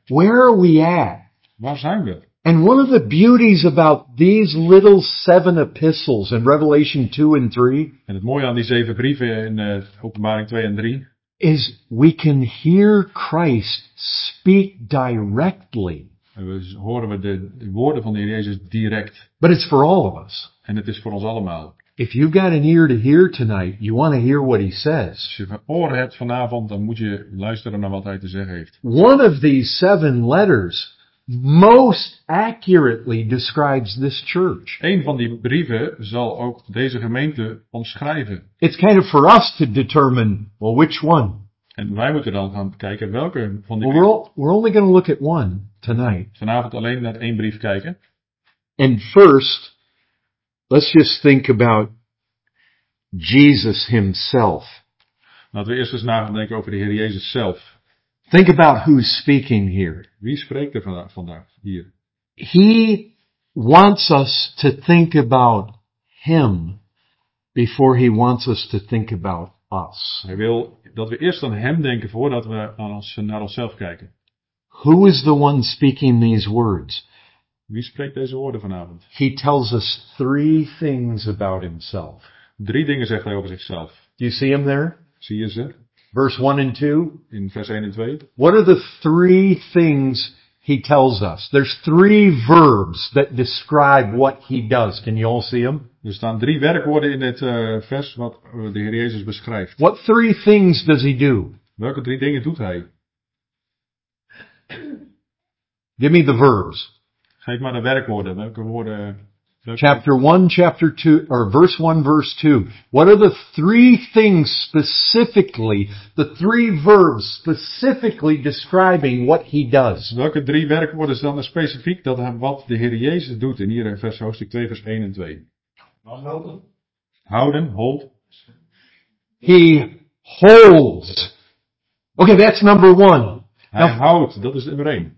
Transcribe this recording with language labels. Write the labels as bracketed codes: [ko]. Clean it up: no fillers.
[en] Where are we at? [nl] Waar zijn we? [en] And one of the beauties about these little seven epistles in Revelation 2 and 3. [nl] En het mooie aan die zeven brieven in Openbaring 2 en 3. [en] Is we can hear Christ speak directly. [nl] En we horen de woorden van de Heer Jezus direct. [en] But it's for all of us. [nl] En het is voor ons allemaal. [en] If you've got an ear to hear tonight, you want to hear what he says. [nl] Als je een oor hebt vanavond, dan moet je luisteren naar wat hij te zeggen heeft. [en] One of these seven letters most accurately describes this church. [nl] Een van die brieven zal ook deze gemeente omschrijven. [en] It's kind of for us to determine, well, which one. [nl] En wij moeten dan gaan kijken welke van die brieven. [en] Well, we're only going to look at one tonight. [nl] Vanavond alleen naar één brief kijken. [en] And first, let's just think about Jesus himself. [nl] Laten we eerst eens nadenken over de Heer Jezus zelf. [en] Think about who's speaking here. [nl] Wie spreekt er vandaag hier? [en] He wants us to think about him before he wants us to think about us. [nl] Hij wil dat we eerst aan hem denken voordat we naar onszelf kijken. [en] Who is the one speaking these words? [nl] Wie spreekt deze woorden vanavond? [en] He tells us three things about himself. [nl] Drie dingen zegt hij over zichzelf. [en] Do you see him there? [nl] Zie je ze? [en] Verse 1 and 2. [nl] In vers 1 en 2. [en] What are the three things he tells us? There's three verbs that describe what he does. Can you all see them? [nl] Er staan drie werkwoorden in het vers wat de Heer Jezus beschrijft. [en] What three things does he do? [nl] Welke drie dingen doet hij? [en] Give me the verbs. [nl] Geef maar de werkwoorden. Welke woorden? [en] Chapter 1, chapter 2, or verse 1, verse 2. What are the three things specifically, the three verbs specifically describing what he does? [nl] Welke drie werkwoorden is dan specifiek dat hij wat de Heer Jezus doet? En hier in vers hoofdstuk 2, vers 1 en 2. Houden. Houden, [en] hold. He holds. Okay, that's number one. [nl] Hij houdt, dat is nummer 1.